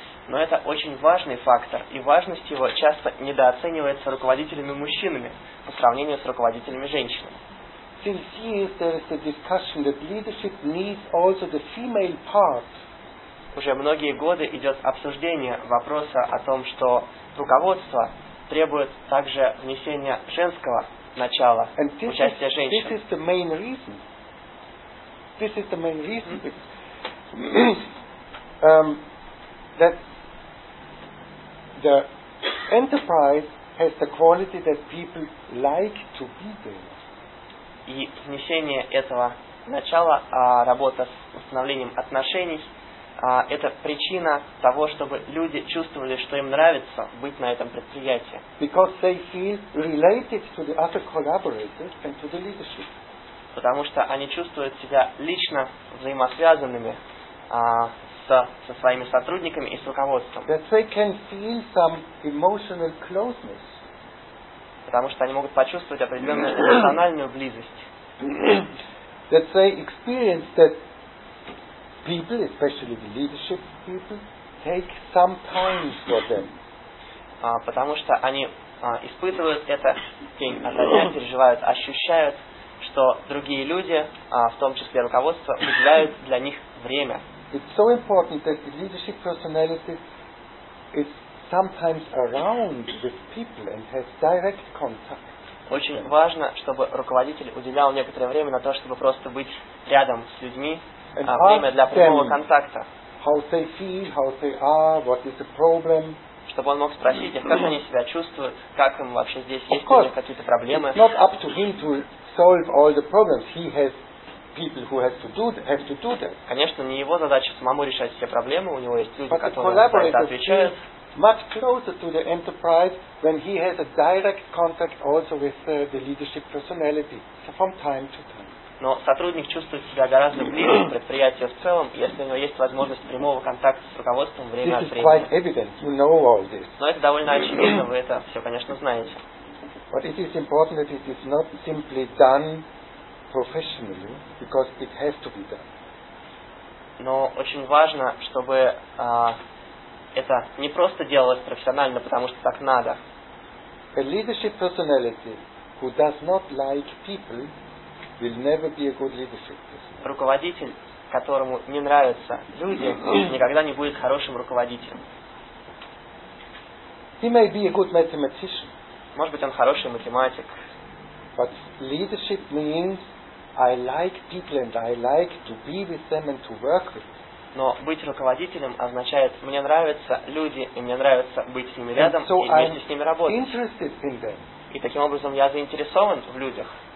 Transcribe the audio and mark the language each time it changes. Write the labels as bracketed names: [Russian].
[Russian] Но это очень важный фактор, и важность его часто недооценивается руководителями-мужчинами по сравнению с руководителями-женщинами. [English] Since years there is a discussion that leadership needs also the female part. [Russian] Уже многие годы идет обсуждение вопроса о том, что руководство требует также внесения женского начала, участия женщин. [English] And this is the main reason. This is the main reason. That the enterprise has the quality that people like to be there. [Russian] И внесение этого начала, работа с установлением отношений, это причина того, чтобы люди чувствовали, что им нравится быть на этом предприятии. [English] Because they feel related to the other collaborators and to the leadership. [Russian] Потому что они чувствуют себя лично взаимосвязанными со своими сотрудниками и с руководством. [English] That they can feel some emotional closeness. [Russian] Потому что они могут почувствовать определенную эмоциональную близость. [English] That they experience that people, especially the leadership people, take some time for them. [Russian] Потому что они испытывают это, переживают, ощущают, что другие люди, в том числе руководство, выделяют для них время. [English] It's so important that the leadership personality is sometimes around with people and has direct contact. [Russian] Очень важно, чтобы руководитель уделял некоторое время на то, чтобы просто быть рядом с людьми, время для прямого контакта. [English] How they feel, how they are, what is the problem? [Russian] Чтобы он мог спросить их, как они себя чувствуют, как им вообще здесь, есть ли какие-то проблемы. [English] It's not up to him to solve all the problems. He has people who have to do that. [Russian] Конечно, не его задача самому решать все проблемы, у него есть люди, [English] but [Russian] которые за это отвечают. [English] Much closer to the enterprise when he has a direct contact also with the leadership personality from time to time. [Russian] Но сотрудник чувствует себя гораздо ближе к предприятию в целом, если у него есть возможность прямого контакта с руководством время от времени. [English] This is quite evident. You know all this. [Russian] Но это довольно очевидно, вы это все, конечно, знаете. [English] But it is important that it is not simply done professionally, because it has to be done. [Russian] Но очень важно, чтобы это не просто делалось профессионально, потому что так надо. [English] A leadership personality who does not like people will never be a good leadership personality. [Russian] Руководитель, которому не нравятся люди, никогда не будет хорошим руководителем. [English] He may be a good mathematician. [Russian] Может быть, он хороший математик. [English] But leadership means I like people and I like to be with them and to work with them. [Russian] Но быть руководителем означает мне нравятся люди, и мне нравится быть с ними рядом, [English] so [Russian] и вместе [English] I'm [Russian] с ними работать. [English] Interested in them. [Russian] И таким образом я заинтересован в людях.